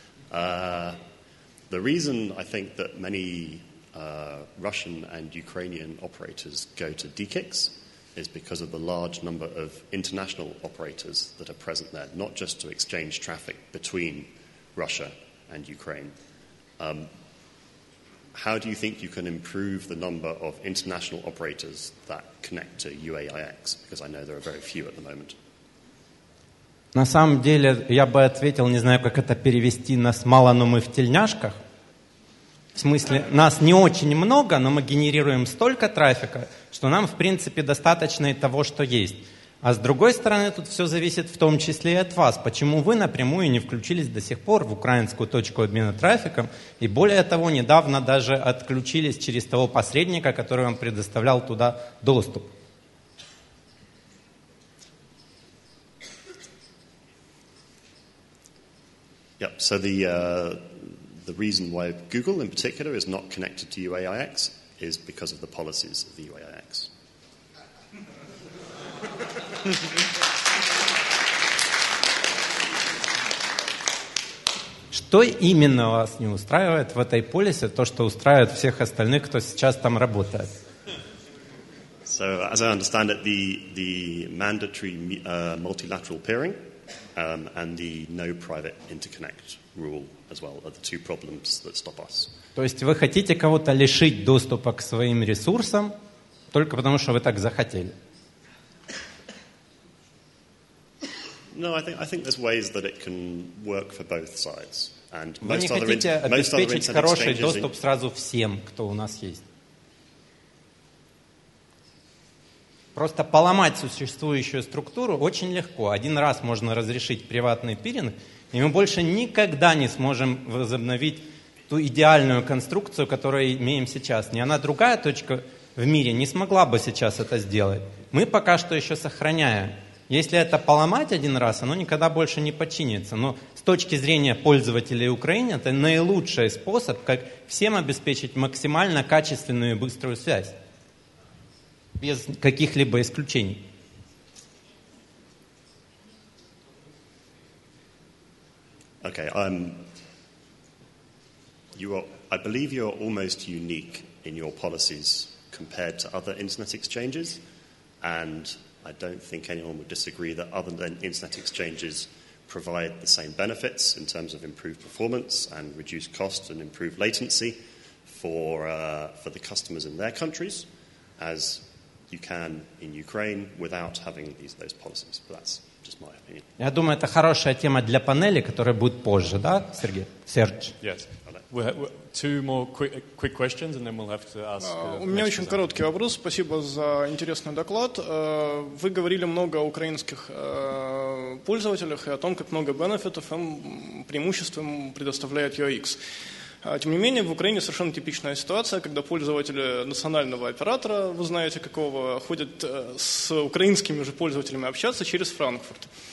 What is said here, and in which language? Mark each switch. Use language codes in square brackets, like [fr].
[en] The reason I think that many Russian and Ukrainian operators go to DKIX is because of the large number of international operators that are present there, not just to exchange traffic between Russia and Ukraine. How do you think you can improve the number of international operators that connect to UAIX? Because I know there are very few at the moment. [ru] На самом деле, я бы ответил, не знаю, как это перевести, нас мало, но мы в тельняшках. В смысле, нас не очень много, но мы генерируем столько трафика, что нам, в принципе, достаточно и того, что есть. А с другой стороны, тут все зависит в том числе и от вас. Почему вы напрямую не включились до сих пор в украинскую точку обмена трафиком? И более того, недавно даже отключились через того посредника, который вам предоставлял туда доступ. [en] Yep. So the reason why Google in particular is not connected to UAIX is because of the policies of the UAIX. [ru] Что именно вас не устраивает в этой полисе, то, что устраивает всех остальных, кто сейчас там работает? [en] So as I understand it, the mandatory multilateral peering and the no private interconnect rule as well are the two problems that stop us. [ru] То есть вы хотите кого-то лишить доступа к своим ресурсам только потому, что вы так захотели? [en] No, I think there's ways that it can work for both sides. And вы most не хотите other in, most обеспечить other хороший доступ сразу всем, кто у нас есть. [ru] Просто поломать существующую структуру очень легко. Один раз можно разрешить приватный пиринг, и мы больше никогда не сможем возобновить ту идеальную конструкцию, которую имеем сейчас. Ни одна другая точка в мире не смогла бы сейчас это сделать. Мы пока что еще сохраняем. Если это поломать один раз, оно никогда больше не починится. Но с точки зрения пользователей Украины, это наилучший способ, как всем обеспечить максимально качественную и быструю связь. Без каких-либо исключений. [en] Okay, I believe you're almost unique in your policies compared to other internet exchanges, and I don't think anyone would disagree that other than internet exchanges provide the same benefits in terms of improved performance and reduced cost and improved latency for the customers in their countries as you can in Ukraine without having these those policies. But that's just my opinion. [ru] Я думаю, это хорошая тема для панели, которая будет позже, да, Сергей? Серж. [en] Yes. Two more quick questions, and then we'll have to ask. [ru] У меня очень короткий вопрос. Спасибо за интересный доклад. Вы говорили много о украинских пользователях и о том, как много бенефитов им преимуществом предоставляет UX. Тем не менее, в Украине совершенно типичная ситуация, когда пользователи национального оператора, вы знаете какого, ходят с украинскими же пользователями общаться через Франкфурт.